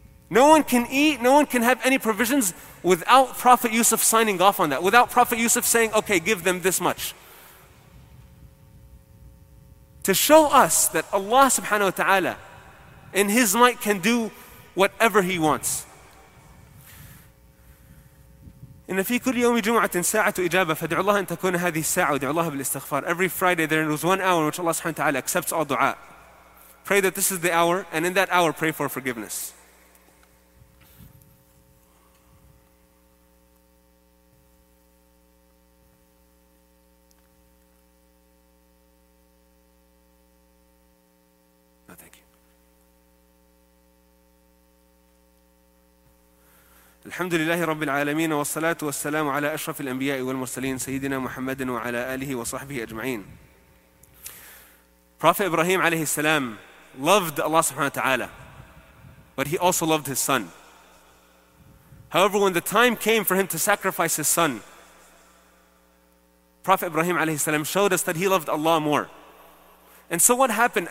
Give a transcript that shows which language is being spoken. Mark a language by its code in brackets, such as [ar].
[en] No one can eat, no one can have any provisions without Prophet Yusuf signing off on that, without Prophet Yusuf saying, okay, give them this much. To show us that Allah subhanahu wa ta'ala in His might can do whatever He wants. [ar] إن في كل يوم جمعة ساعة إجابة فدع الله أن تكون هذه الساعة ودع الله بالاستغفار. [en] Every Friday there is one hour in which Allah سبحانه وتعالى accepts all دعاء. Pray that this is the hour, and in that hour pray for forgiveness. [ar] الحمد لله رب العالمين والصلاة والسلام على أشرف الأنبياء والمرسلين سيدنا محمد وعلى آله وصحبه أجمعين. [en] Prophet Ibrahim عليه السلام loved Allah سبحانه وتعالى, but he also loved his son. However, when the time came for him to sacrifice his son, Prophet Ibrahim عليه السلام showed us that he loved Allah more. And so what happened?